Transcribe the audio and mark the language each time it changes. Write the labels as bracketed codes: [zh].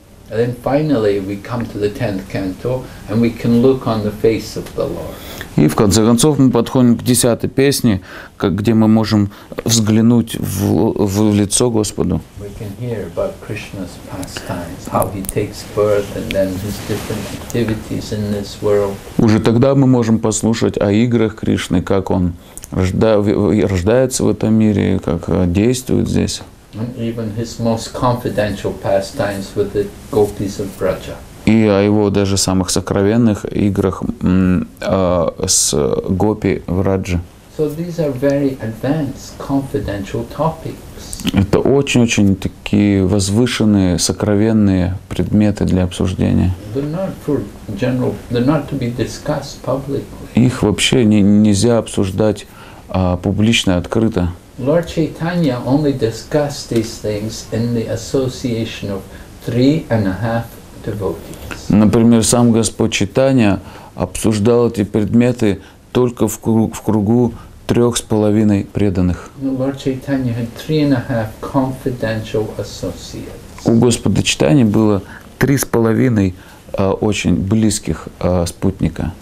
[en] And then finally, we come to the tenth canto, and we can look on the face of the Lord. [ru] И в конце концов мы подходим к десятой песне, где мы можем взглянуть в лицо Господу. [en] We can hear about Krishna's pastimes, how he takes birth and then his different activities in this world. [ru] Уже тогда мы можем послушать о играх Кришны, как он рождается в этом мире, как действует здесь. [en] And even his most confidential pastimes with the gopis of Braja. [ru] И о его даже самых сокровенных играх с гопи в Раджи. [en] So these are very advanced, confidential topics. [ru] Это очень-очень такие возвышенные, сокровенные предметы для обсуждения. [en] They're not for general, they're not to be discussed publicly. [ru] Их вообще нельзя обсуждать публично, открыто. [en] Lord Chaitanya only discussed these things in the association of 3.5 [ru] Например, сам Господь Чайтанья обсуждал эти предметы только в кругу 3,5 преданных. У Господа Чайтаньи было 3,5 очень близких спутника.